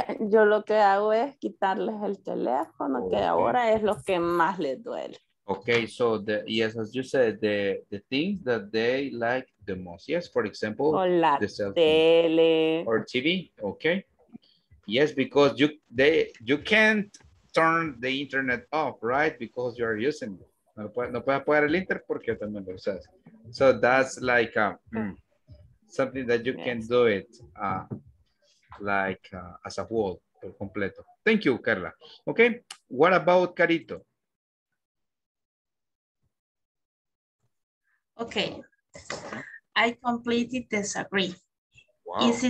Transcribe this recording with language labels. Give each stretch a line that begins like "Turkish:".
Spanish: Yo lo que hago es quitarles el teléfono, okay. Que ahora es lo que más les duele.
English: Okay, so the, yes, as you said, the things that they like the most. Yes, for example,
Spanish: tele.
English: Or TV, okay? Yes, because you can't turn the internet off, right? Because you are using it.
Spanish: No puedes apagar el internet porque también lo usas.
English: So that's like something that you can do it as a whole,
Spanish: por completo.
English: Thank you, Carla. Okay, what about Carito? Okay, I completely disagree. Wow.